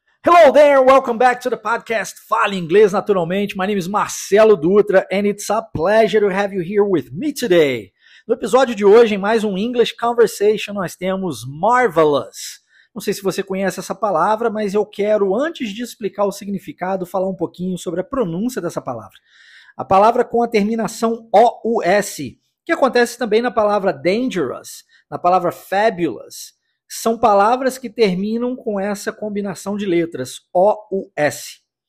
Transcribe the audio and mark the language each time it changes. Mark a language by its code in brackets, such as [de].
[en] Hello there, welcome back to the podcast Fale Inglês Naturalmente. My name is Marcelo Dutra and it's a pleasure to have you here with me today. [pt] No episódio de hoje, em mais um English Conversation, nós temos Marvelous. Não sei se você conhece essa palavra, mas eu quero, antes de explicar o significado, falar um pouquinho sobre a pronúncia dessa palavra. A palavra com a terminação O-U-S, que acontece também na palavra dangerous, na palavra fabulous, são palavras que terminam com essa combinação de letras, O-U-S.